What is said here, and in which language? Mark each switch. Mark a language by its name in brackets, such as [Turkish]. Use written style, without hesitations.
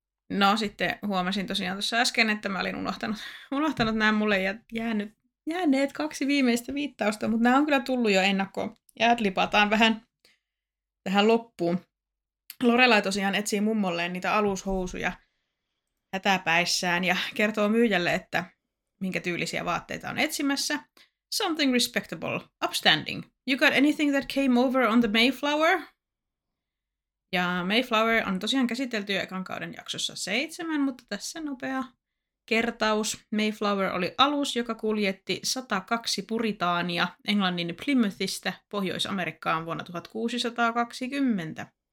[Finnish] No sitten huomasin tosiaan tuossa äsken, että mä olin unohtanut nämä mulle ja jääneet kaksi viimeistä viittausta, mutta nämä on kyllä tullut jo ennakkoon. Jäätlipataan vähän tähän loppuun. Lorelai tosiaan etsii mummolleen niitä alushousuja hätäpäissään ja kertoo myyjälle, että minkä tyylisiä vaatteita on etsimässä. [English] Something respectable. Upstanding. You got anything that came over on the Mayflower? [Finnish] Ja Mayflower on tosiaan käsitelty jo ekan kauden jaksossa 7, mutta tässä nopea kertaus. Mayflower oli alus, joka kuljetti 102 puritaania Englannin Plymouthista Pohjois-Amerikkaan vuonna 1620.